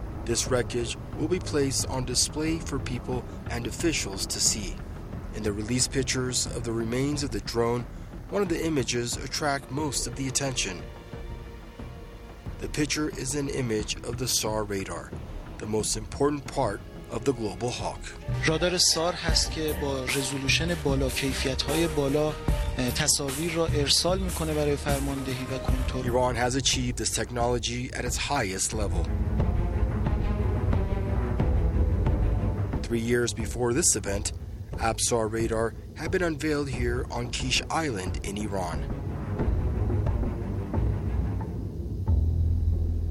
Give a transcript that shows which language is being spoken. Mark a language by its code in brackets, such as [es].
[en] This wreckage will be placed on display for people and officials to see. In the release pictures of the remains of the drone, one of the images attract most of the attention. The picture is an image of the SAR radar, the most important part of the Global Hawk. [fa] رادار سار هست که با رزولوشن بالا، کیفیت‌های بالا تصاویر را ارسال می‌کنه برای فرماندهی و کنترل. [en] Iran has achieved this technology at its highest level. 3 years before this event, Absar radar had been unveiled here on Kish Island in Iran.